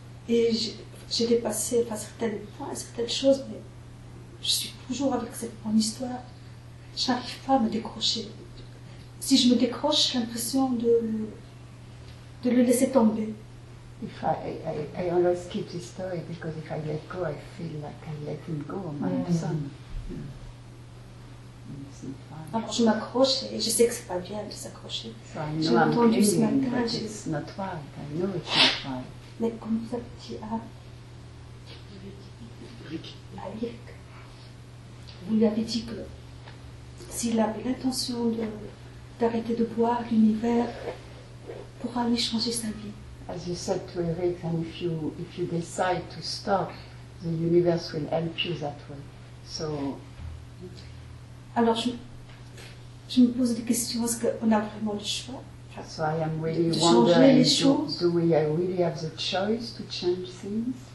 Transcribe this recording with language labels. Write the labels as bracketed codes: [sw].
[fr] Et j'ai dépassé enfin, certains points, certaines choses, mais je suis toujours avec mon histoire. Je n'arrive pas à me décrocher. Si je me décroche, j'ai l'impression de le laisser tomber. [en] If I always keep this story because if I let go, I feel like I'm letting go of my son. Mm-hmm. [fr] Alors je m'accroche et je sais que c'est pas bien de s'accrocher. [en] So [fr] j'ai entendu ce matin. [en] It's not right. I know it's not right. [fr] Mais comme ça tu as. Rick. Vous lui avez dit que s'il avait l'intention d'arrêter de boire, l'univers pourra lui changer sa vie. [en] As you said to Eric, and if you decide to stop, the universe will help you that way. So. [fr] Alors je me pose des questions, est-ce qu'on a vraiment le choix? [en] So I am really wondering, do we really have the choice to change things?